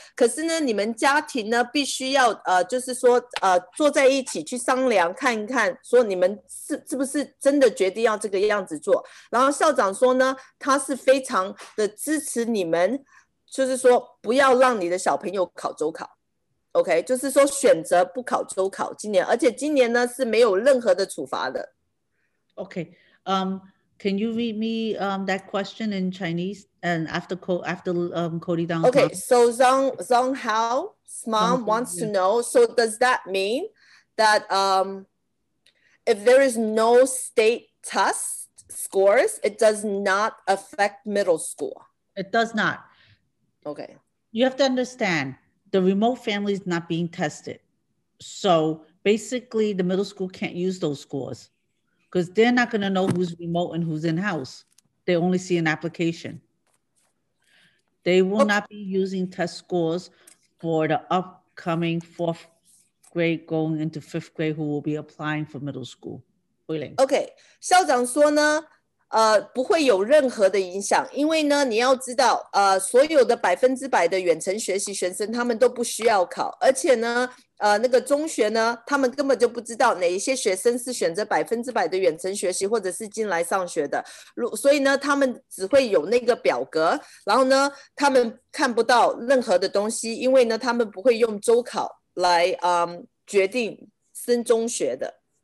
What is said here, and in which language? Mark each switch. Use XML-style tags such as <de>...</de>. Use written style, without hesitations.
<zh>可是呢，你们家庭呢必须要就是说坐在一起去商量看一看，说你们是不是真的决定要这个样子做。然后校长说呢，他是非常的支持你们。就是说不要让你的小朋友考周考 OK 就是说选择不考周考今年而且今年呢是没有任何的处罚的</zh> <en>OK Can you read me that question in Chinese and after Cody down OK so Zhang Hao's mom wants to know so does that mean that if there is no state test scores it does not affect middle school it does not Okay. You have to understand the remote family is not being tested. So basically the middle school can't use those scores because they're not going to know who's remote and who's in-house. They only see an application. They will not be using test scores for the upcoming fourth grade going into fifth grade who will be applying for middle school. Okay.</en> <zh>校长说呢不会有任何的影响，因为呢，你要知道，所有的100%的远程学习学生，他们都不需要考，而且呢，那个中学呢，他们根本就不知道哪一些学生是选择100%的远程学习，或者是进来上学的，所以呢，他们只会有那个表格，然后呢，他们看不到任何的东西，因为呢，他们不会用周考来决定升中学的。</zh>